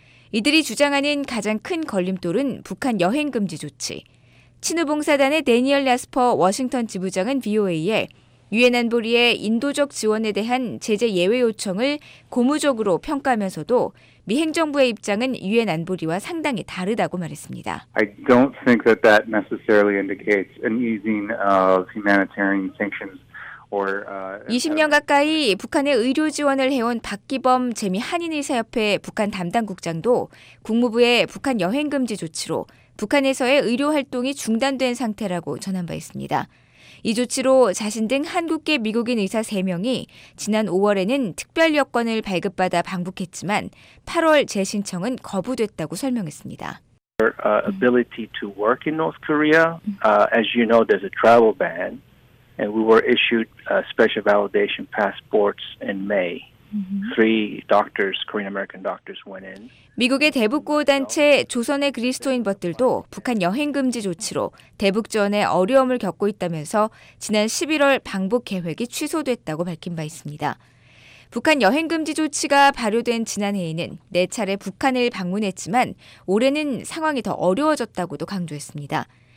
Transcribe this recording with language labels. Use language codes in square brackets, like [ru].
[ko] 이들이 주장하는 가장 큰 걸림돌은 북한 여행 금지 조치. 친우봉사단의 대니얼 야스퍼 워싱턴 지부장은 BOA에 유엔 안보리의 인도적 지원에 대한 제재 예외 요청을 고무적으로 평가하면서도 미 행정부의 입장은 유엔 안보리와 상당히 다르다고 말했습니다. [en] I don't think that that necessarily indicates an easing of humanitarian sanctions. [ko] 20년 가까이 북한에 의료 지원을 해온 박기범 재미 한인의사협회 북한 담당 국장도 국무부의 북한 여행 금지 조치로 북한에서의 의료 활동이 중단된 상태라고 전한 바 있습니다. 이 조치로 자신 등 한국계 미국인 의사 3명이 지난 5월에는 특별 여권을 발급받아 방북했지만 8월 재신청은 거부됐다고 설명했습니다. [en] Ability to work in North Korea, as you know, there's a travel ban, and we were issued special validation passports in May. Three doctors, Korean American doctors went in. [ko] 미국의 대북 구호 단체 조선의 그리스도인벗들도 북한 여행 금지 조치로 대북 지원에 어려움을 겪고 있다면서 지난 11월 방북 계획이 취소됐다고 밝힌 바 있습니다. 북한 여행 금지 조치가 발효된 지난해에는 네 차례 북한을 방문했지만 올해는 상황이 더 어려워졌다고도 강조했습니다.